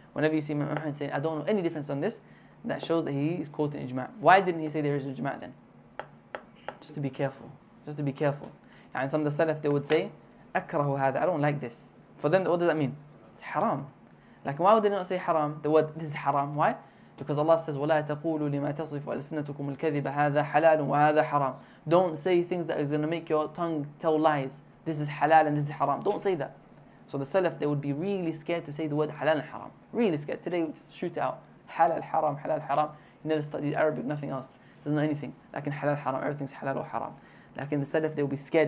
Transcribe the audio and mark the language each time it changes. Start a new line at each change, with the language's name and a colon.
English: Whenever you see Imam Ahmed saying, I don't know any difference on this, that shows that he is quoting Ijma'. Why didn't he say there is Ijma' then? Just to be careful. Just to be careful. And some of the Salaf, they would say,
Arabic: أَكْرَهُ هَذَا,
English: I don't like this. For them, what does that mean? It's haram. Like, why would they not say haram? The word, this is haram. Why? Because Allah says,
Arabic: وَلَا تَقُولُوا لِمَا تَصِفُ أَلْسِنَتُكُمُ الْكَذِبَ هَذَا حَلَالٌ وَهَذَا حَرَامٌ.
English: Don't say things that is going to make your tongue tell lies. This is halal and this is haram. Don't say that. So the Salaf, they would be really scared to say the word halal and haram. Really scared. Today, we just shoot out. Halal, haram, halal, haram. You never studied Arabic, nothing else. There's not anything. Like in halal, haram, everything's halal or haram. Like in the Salaf, they will be scared.